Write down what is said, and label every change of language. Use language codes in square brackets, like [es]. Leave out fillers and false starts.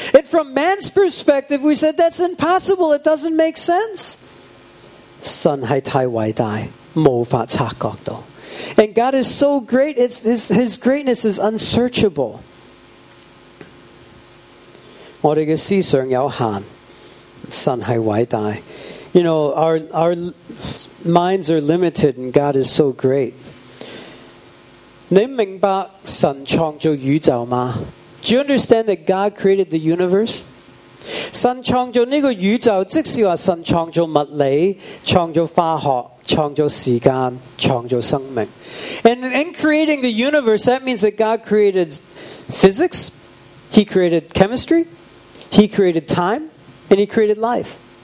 [en] And from man's perspective, we said, that's impossible, it doesn't make sense. [zh] 神是太伟大，无法察觉到。 [en] And God is so great, his greatness is unsearchable. [zh] 我们的思想有限，神是伟大。 [en] You know, our minds are limited and God is so great. [zh] 你明白神创造宇宙吗? [en] Do you understand that God created the universe? [zh] 神创造这个宇宙，即是说神创造物理，创造化学，创造时间，创造生命。 [en] And in creating the universe, that means that God created physics, he created chemistry, he created time, and he created life.